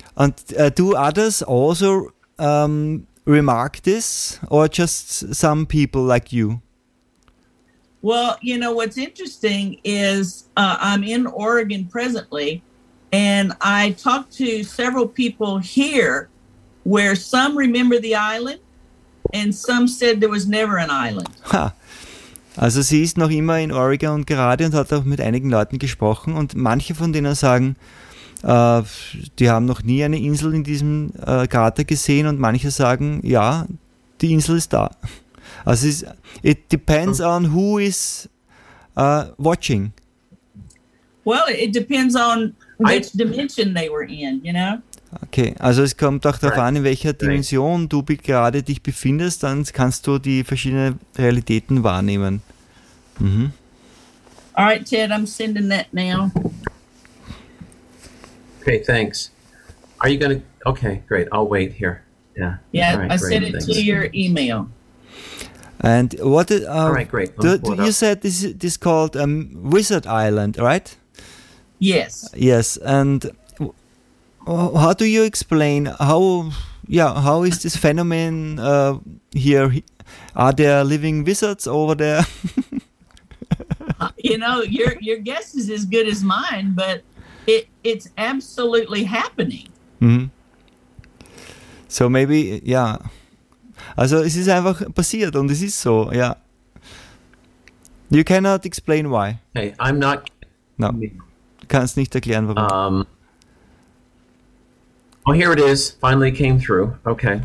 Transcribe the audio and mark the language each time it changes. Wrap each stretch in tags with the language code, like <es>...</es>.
<en>And do others also remark this, or just some people like you? Well, you know, what's interesting is I'm in Oregon presently, and I talked to several people here where some remember the island, and some said there was never an island. Huh.</en> <de>Also sie ist noch immer in Oregon und gerade und hat auch mit einigen Leuten gesprochen und manche von denen sagen, die haben noch nie eine Insel in diesem Krater gesehen und manche sagen, ja, die Insel ist da.</de> <en>Also it depends on who is watching. Well, it depends on which dimension they were in, you know?</en> <de>Okay, also es kommt auch darauf an, in welcher Dimension du gerade dich befindest, dann kannst du die verschiedenen Realitäten wahrnehmen. Mhm.</de> <en>All right, Ted, I'm sending that now. Okay, thanks. Are you gonna? Okay, great. I'll wait here. Yeah. Yeah, right, I sent it to your email. And what? All right, great. You said this is called Wizard Island, right? Yes. Yes, and. How do you explain how is this phenomenon here? Are there living wizards over there? You know, your guess is as good as mine, but it's absolutely happening. Mm-hmm. So maybe, yeah.</en> <de>Also es ist einfach passiert und es ist so, yeah.</de> <en>You cannot explain why. Hey, I'm not.</en> <de>No, kannst nicht erklären warum.</de> <en>Oh, here it is. Finally came through. Okay.</en>